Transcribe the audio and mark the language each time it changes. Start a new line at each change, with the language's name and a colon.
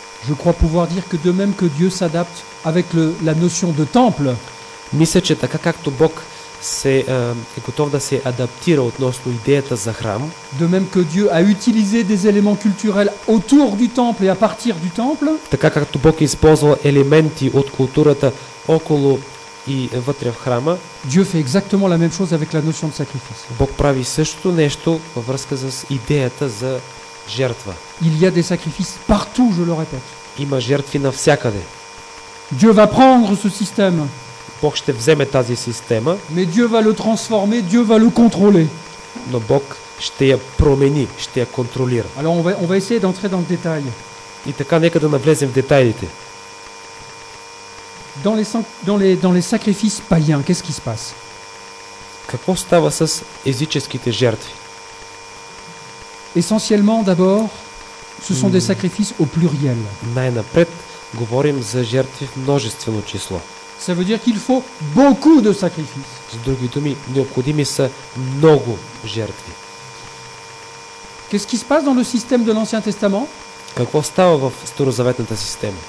French: Je crois pouvoir dire que de même que Dieu s'adapte avec la notion de temple,
Bulgarian: мисля, че така както Бог е готов да се адаптира относно идеята за храм,
French: de même que Dieu a utilisé des éléments culturels autour du temple et à partir du temple,
Bulgarian: така както Бог е използвал елементи от културата около и вътре в храма,
French: Dieu fait exactement la même chose avec la notion de sacrifice.
Bulgarian: Бог прави същото нещо във връзка с идеята за жертва.
French: Il y a des sacrifices partout, je le répète.
Bulgarian: Има жертви навсякъде.
French: Dieu va prendre ce système.
Bulgarian: Бог ще вземе тази система.
French: Mais Dieu va le transformer, Dieu va le contrôler.
Bulgarian: Но Бог ще я промени, ще я контролира.
French: Alors on va essayer d'entrer dans le détail.
Bulgarian: И така нека да навлезем в детайлите.
French: Dans les sacrifices païens, qu'est-ce qui se passe?
Bulgarian: Какво става с езическите жертви?
French: Essentiellement d'abord, ce sont des sacrifices au pluriel.
Bulgarian: Най-напред говорим за жертви в множествено число.
French: Ça veut dire qu'il faut beaucoup de sacrifices.
Bulgarian: С други думи, необходими са много жертви.
French: Qu'est-ce qui se passe dans le système de l'Ancien Testament?
Bulgarian: Какво става в старозаветната система?